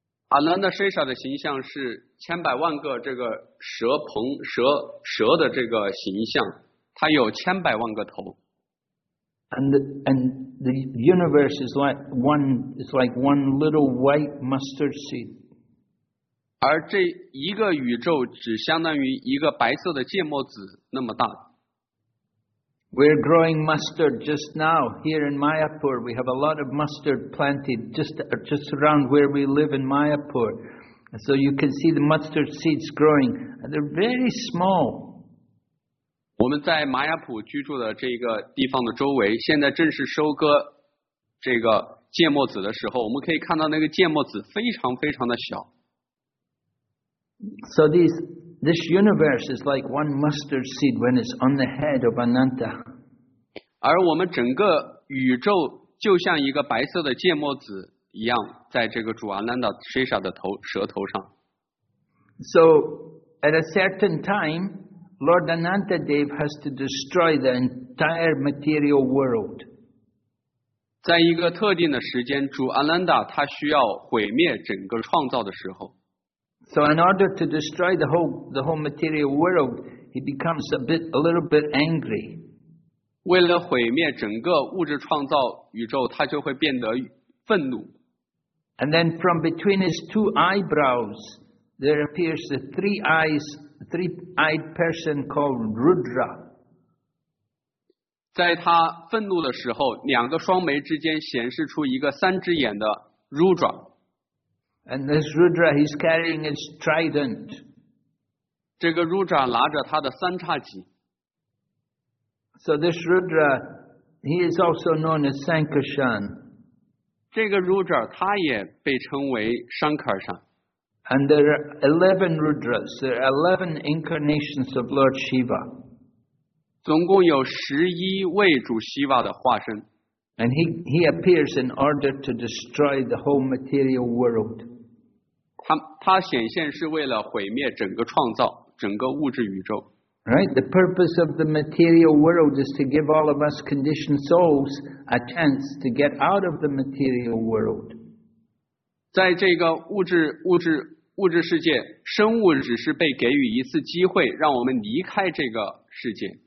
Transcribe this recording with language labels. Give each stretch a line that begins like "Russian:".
Chinese: Anantadeva 的形象是千百万个这个蛇棚蛇的这个形象，它有千百万个头。
English: And the universe is like one little white mustard seed.
Chinese: 而这一个宇宙只相当于一个白色的芥末籽那么大。
English: We're growing mustard just now here in Mayapur. We have a lot of mustard planted just around where we live in Mayapur. So you can see the mustard seeds growing. And they're very small.
Chinese: 我们在玛雅普居住的这个地方的周围，现在正是收割这个芥末籽的时候，我们可以看到那个芥末籽非常非常的小。
English: So this universe is like one mustard seed when it's on the head of Ananta.
Chinese: 而我们整个宇宙就像一个白色的芥末籽一样，在这个主阿兰达施舍的舌头上。
English: So at a certain time, Lord Ananta Dev has to destroy the entire material world.
Chinese: 在一个特定的时间，主阿兰达他需要毁灭整个创造的时候。
English: So in order to destroy the whole material world, he becomes a little bit angry.
Chinese: 为了毁灭整个物质创造宇宙，他就会变得愤怒。
English: And then from between his two eyebrows, there appears a three-eyed person called Rudra.
Chinese: 在他愤怒的时候，两个双眉之间显示出一个三只眼的 Rudra。
English: And this Rudra, he's carrying his trident.
Chinese: 这个 Rudra 拿着他的三叉戟。
English: So this Rudra, he is also known as Sankarshan.
Chinese: 这个 Rudra 他也被称为 Sankarshan.
English: And there are 11 Rudras. There are 11 incarnations of Lord Shiva.
Chinese: 总共有11位主 Shiva 的化身。
English: And he appears in order to destroy the whole material world.
Chinese: 他显现是为了毁灭整个创造，整个物质宇宙。
English: Right, the purpose of the material world is to give all of us conditioned souls a chance to get out of the material world.
Chinese: 在这个物质世界，生物只是被给予一次机会，让我们离开这个世界。